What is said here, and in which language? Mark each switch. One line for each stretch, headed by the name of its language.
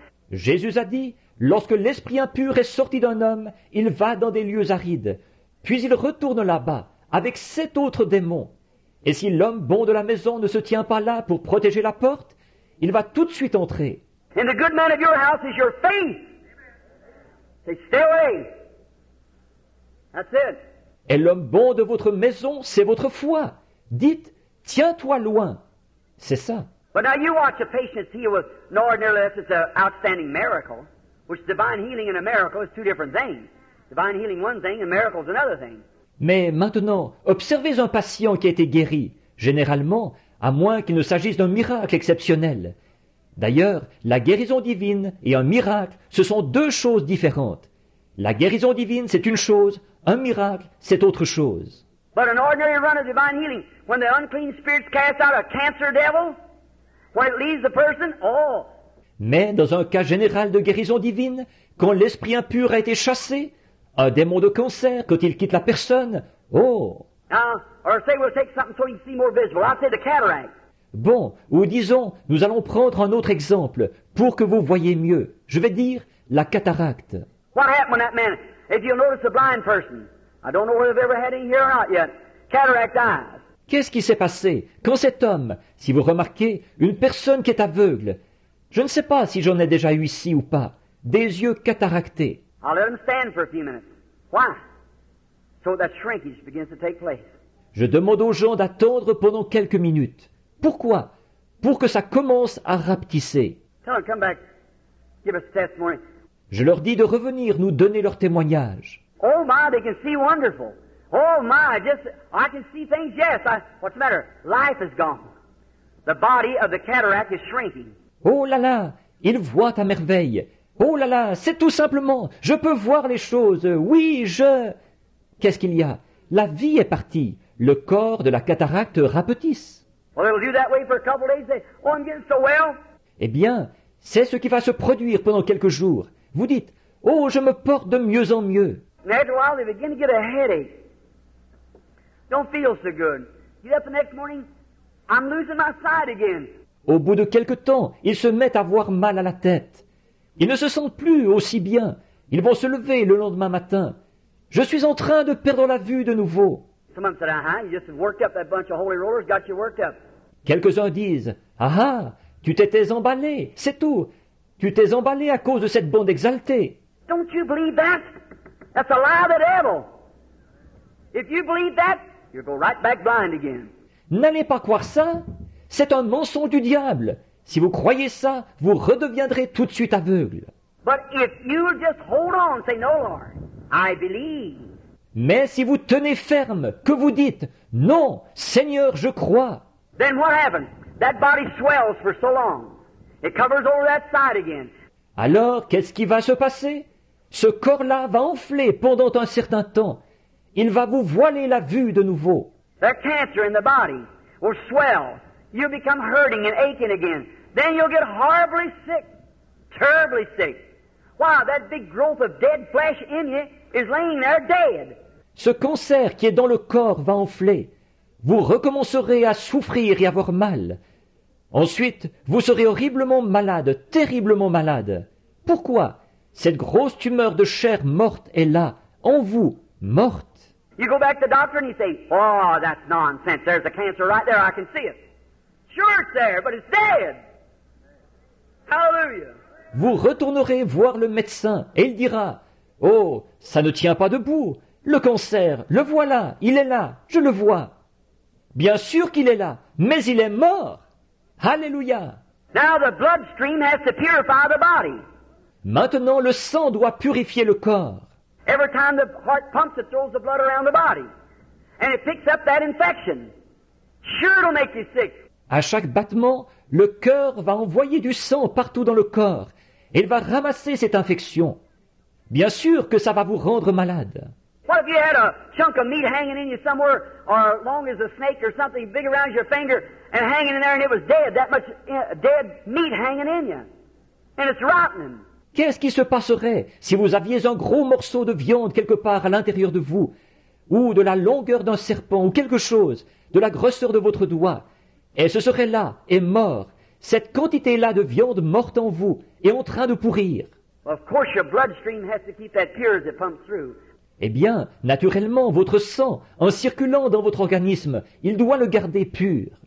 French: Jésus a dit, lorsque l'esprit impur est sorti d'un homme, il va dans des lieux arides. Puis il retourne là-bas avec sept autres démons. Et si l'homme bon de la maison ne se tient pas là pour protéger la porte, il va tout de suite entrer.
English: And the good man of your house is your faith. Say, stay away. That's it.
French: Et l'homme bon de votre maison, c'est votre foi. Dites, tiens-toi loin. C'est ça.
English: But now you watch a patient heal with no ordinary less. It's an outstanding miracle. Which divine healing and a miracle is two different things. Divine healing one thing and miracle is another thing.
French: Mais maintenant, observez un patient qui a été guéri. Généralement, à moins qu'il ne s'agisse d'un miracle exceptionnel. D'ailleurs, la guérison divine et un miracle, ce sont deux choses différentes. La guérison divine, c'est une chose, un miracle, c'est autre chose.
English: But an ordinary run of divine healing, when the unclean spirits cast out a cancer devil, when it leaves the person, oh.
French: Mais dans un cas général de guérison divine, quand l'esprit impur a été chassé, un démon de cancer, quand il quitte la personne, oh.
English: Or say we'll take something so you see more visible. I'll say the cataract.
French: Bon, ou disons, nous allons prendre un autre exemple pour que vous voyez mieux. Je vais dire la cataracte.
English: What happened when that man, if you notice a blind person, I don't know whether they've ever had any here or not yet, cataract eyes.
French: Qu'est-ce qui s'est passé quand cet homme, si vous remarquez, une personne qui est aveugle, je ne sais pas si j'en ai déjà eu ici ou pas, des yeux cataractés.
English: I'll let him stand for a few minutes. Why? So that shrinkage begins to take place.
French: Je demande aux gens d'attendre pendant quelques minutes. Pourquoi? Pour que ça commence à rapetisser.
English: Tell them, come back. Give us a testimony.
French: Je leur dis de revenir nous donner leur témoignage.
English: Oh my, they can see wonderful. Oh my, just, I can see things, yes. What's the matter? Life is gone. The body of the cataract is shrinking.
French: Oh là là, ils voient à merveille. Oh là là, c'est tout simplement, je peux voir les choses. Oui, je... Qu'est-ce qu'il y a? La vie est partie. Le corps de la cataracte rapetisse.
English: Well, it'll do that way for a couple of days. Say, oh, I'm getting so well.
French: Eh bien, c'est ce qui va se produire pendant quelques jours. Vous dites, oh, je me porte de mieux en mieux.
English: And after a while, they begin to get a headache. Don't feel so good. Get up the next morning, I'm losing my sight again.
French: Au bout de quelque temps, ils se mettent à avoir mal à la tête. Ils ne se sentent plus aussi bien. Ils vont se lever le lendemain matin. Je suis en train de perdre la vue de nouveau.
English: Someone said, aha, you just worked up that bunch of holy rollers, got you worked up.
French: Quelques-uns disent, aha, tu t'étais emballé, c'est tout. Tu t'es emballé à cause de cette bande exaltée.
English: Don't you believe that? That's a lie of the devil. If you believe that, you'll go right back blind again.
French: N'allez pas croire ça. C'est un mensonge du diable. Si vous croyez ça, vous redeviendrez tout de suite aveugle.
English: But if you just hold on, say, no, Lord, I believe.
French: Mais si vous tenez ferme, que vous dites, non, Seigneur, je crois.
English: Then what happens? That body swells for so long. It covers over that side again.
French: Alors, qu'est-ce qui va se passer? Ce corps-là va enfler pendant un certain temps. Il va vous voiler la vue de nouveau.
English: That cancer in the body will swell. You'll become hurting and aching again. Then you'll get horribly sick, terribly sick. Wow, that big growth of dead flesh in you is laying there dead.
French: Ce cancer qui est dans le corps va enfler. Vous recommencerez à souffrir et avoir mal. Ensuite, vous serez horriblement malade, terriblement malade. Pourquoi? Cette grosse tumeur de chair morte est là, en vous, morte.
English: You go back to the doctor and you say, oh, that's nonsense. There's a cancer right there, I can see it. Sure it's there, but it's dead. Hallelujah.
French: Vous retournerez voir le médecin et il dira, oh, ça ne tient pas debout. Le cancer, le voilà, il est là, je le vois. Bien sûr qu'il est là, mais il est mort. Alléluia.
English: Now the bloodstream has to purify the body.
French: Maintenant, le sang doit purifier le corps.
English: Every time the heart pumps, it throws the blood around the body. And it picks up that infection. Sure, it'll make you sick.
French: À chaque battement, le cœur va envoyer du sang partout dans le corps. Elle va ramasser cette infection. Bien sûr que ça va vous rendre malade.
English: What if you had a chunk of meat hanging in you somewhere, or long as a snake or something big around your finger, and hanging in there, and it was dead, that much dead meat hanging in you. And it's rotting.
French: Qu'est-ce qui se passerait si vous aviez un gros morceau de viande quelque part à l'intérieur de vous, ou de la longueur d'un serpent, ou quelque chose, de la grosseur de votre doigt, et ce serait là, et mort, cette quantité-là de viande morte en vous, et en train de pourrir.
English: Well, of course your bloodstream has to keep that pure as it pumps through.
French: Eh bien, naturellement, votre sang, en circulant dans votre organisme, il doit le garder pur.